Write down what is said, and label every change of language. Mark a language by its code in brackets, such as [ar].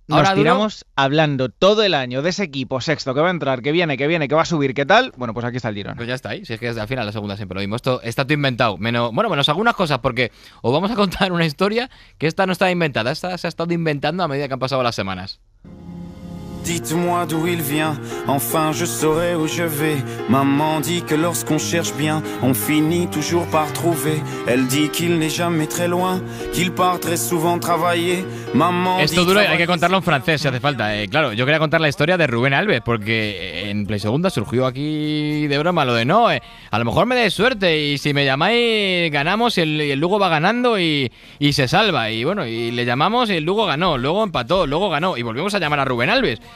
[es] nos tiramos hablando todo el año de ese equipo sexto que va a entrar, que viene, que va a subir, qué tal. Bueno, pues aquí está el Girona. Pues ya está ahí. Si es que desde al final la segunda siempre lo mismo. Esto está todo inventado. Menos algunas cosas, porque os vamos a contar una historia que esta no está inventada. Esta se ha estado inventando a medida que han pasado las semanas. [fr] Dites-moi d'où il vient, enfin je saurai où je vais. Maman dit que lorsqu'on cherche bien, on finit toujours par trouver. Elle dit qu'il n'est jamais très loin, qu'il part très souvent travailler. Maman dit. [es] Esto duro, hay que contarlo en francés si hace falta. Claro, yo quería contar la historia de Rubén Alves, porque en Play Segunda surgió aquí de broma lo de no. A lo mejor me dé suerte y si me llamáis, ganamos y el Lugo va ganando y se salva. Y bueno, y le llamamos y el Lugo ganó, luego empató, luego ganó y volvimos a llamar a Rubén Alves.